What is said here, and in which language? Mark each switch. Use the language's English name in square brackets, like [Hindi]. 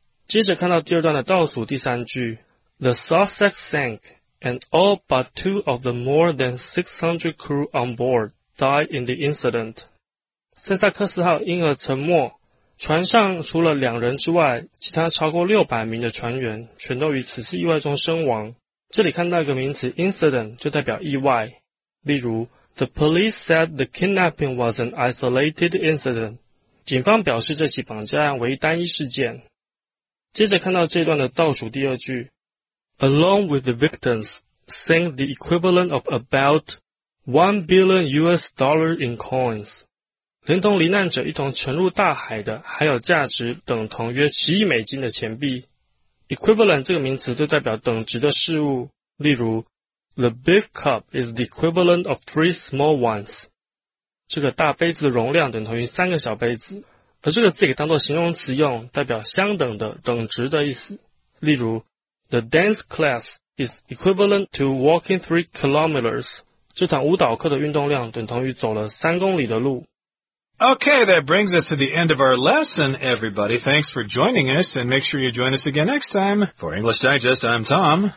[Chinese] 接着看到第二段的倒数第三句 [English] ，The Sussex sank， and all but two of the more than 600 crew on board died in the incident。 [Chinese] 塞萨克斯号因而沉没，船上除了两人之外，其他超过600名的船员全都于此次意外中身亡。这里看到一个名词 incident， 就代表意外，例如。 [English] The police said the kidnapping was an isolated incident. [Chinese] 警方表示这起绑架案为单一事件。接着看到这段的倒数第二句。 [English] Along with the victims, sank the equivalent of about $1 billion in coins. [Chinese] 连同罹难者一同沉入大海的还有价值等同约10亿美金的钱币。 [English] Equivalent [Chinese] 这个名词就代表等值的事物，例如 [English] The big cup is the equivalent of 3 small ones. [Chinese] 这个大杯子的容量等同于三个小杯子。而这个字给当作形容词用，代表相等的、等值的意思。例如 [English] ,The dance class is equivalent to walking 3 kilometers. [Chinese] 这堂舞蹈课的运动量等同于走了三公里的路。 [English] Okay, that brings us to the end of our lesson, everybody. Thanks for joining us, and make sure you join us again next time. For English Digest, I'm Tom.